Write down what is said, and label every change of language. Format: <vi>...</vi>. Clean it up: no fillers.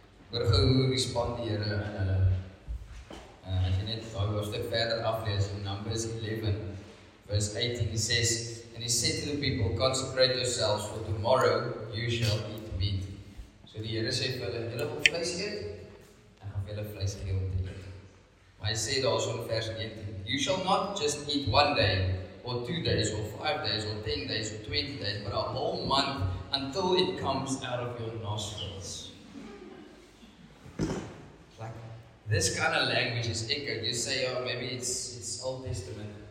<af>Hoor gou hoe respond die Here aan hulle. As jy net gou 'n stuk verder aflees,</af> <en>in Numbers 11, verse 18, he says, and he said to the people, "Consecrate yourselves, for tomorrow you shall eat meat."</en> <af>So die Here sê vir hulle, "Julle wil vleis eet? Ek gaan vir julle vleis gee om te eet." Maar hy sê daarso in vers 18,</af> <en>"You shall not just eat one day, or 2 days, or 5 days, or 10 days, or 20 days, but a whole month until it comes out of your nostrils." Like, this kind of language is echoed. You say, "Oh, maybe it's Old Testament."</en>